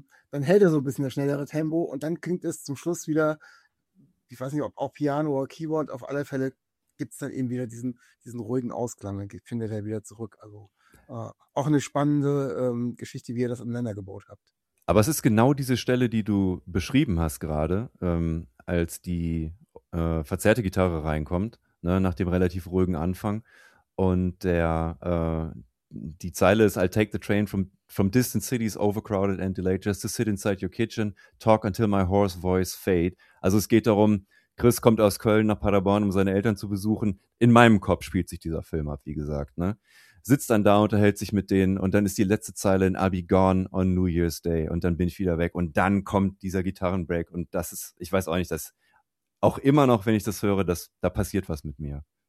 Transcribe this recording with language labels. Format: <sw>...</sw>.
<de>Dann hält er so ein bisschen das schnellere Tempo und dann klingt es zum Schluss wieder, ich weiß nicht, ob auch Piano oder Keyboard, auf alle Fälle gibt es dann eben wieder diesen ruhigen Ausklang, dann findet er wieder zurück. Also auch eine spannende Geschichte, wie ihr das aneinander gebaut habt. Aber es ist genau diese Stelle, die du beschrieben hast gerade, als die verzerrte Gitarre reinkommt, ne, nach dem relativ ruhigen Anfang. Und die Zeile ist,</de> <en>I'll take the train from distant cities overcrowded and delayed just to sit inside your kitchen, talk until my hoarse voice fade.</en> <de>Also es geht darum, Chris kommt aus Köln nach Paderborn, um seine Eltern zu besuchen. In meinem Kopf spielt sich dieser Film ab, wie gesagt, ne? sitzt dann da, unterhält sich mit denen und dann ist die letzte Zeile in</de> <en>I'll be gone on New Year's Day</en> <de>und dann bin ich wieder weg und dann kommt dieser Gitarrenbreak und das ist, ich weiß auch nicht, dass auch immer noch, wenn ich das höre, dass da passiert was mit mir.</de>